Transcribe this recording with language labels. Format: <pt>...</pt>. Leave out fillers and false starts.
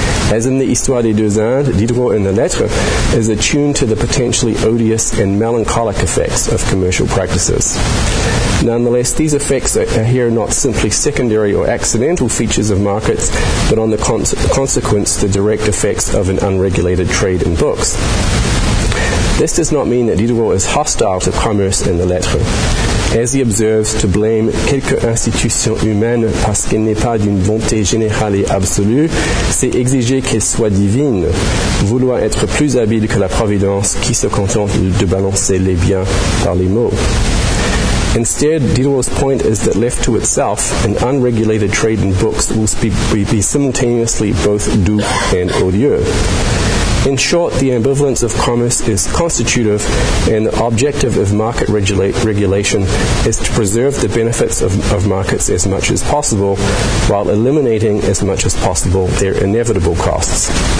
<en>As in the Histoire des deux Indes, Diderot in the Lettres is attuned to the potentially odious and melancholic effects of commercial practices. Nonetheless, these effects are here not simply secondary or accidental features of markets, but on the consequence, the direct effects of an unregulated trade in books. This does not mean that Diderot is hostile to commerce in the Lettres. As he observes, to blame</en> <fr>quelques institutions humaines parce qu'elles n'est pas d'une bonté générale et absolue, c'est exiger qu'elles soient divines, vouloir être plus habile que la Providence qui se contente de balancer les biens par les maux.</fr> <en>Instead, Diderot's point is that left to itself, an unregulated trade in books will be simultaneously both doux and odieux. In short, the ambivalence of commerce is constitutive, and the objective of market regulation is to preserve the benefits of markets as much as possible, while eliminating as much as possible their inevitable costs.</en>